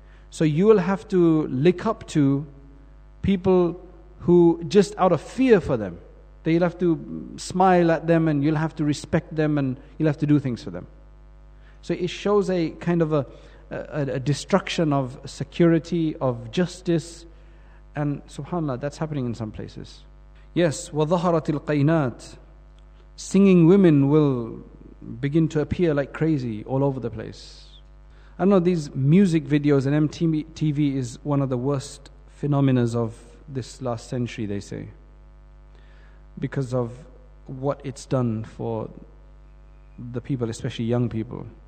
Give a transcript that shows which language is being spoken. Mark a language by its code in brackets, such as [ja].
[en] So you will have to lick up to people who, just out of fear for them, they'll have to smile at them and you'll have to respect them and you'll have to do things for them. So it shows a kind of a destruction of security, of justice. And subhanAllah, that's happening in some places. [ar] Yes, وَظَهَرَتِ الْقَيْنَاتِ. [en] Singing women will begin to appear like crazy all over the place. I don't know, these music videos and MTV is one of the worst phenomena of this last century, they say. Because of what it's done for the people, especially young people.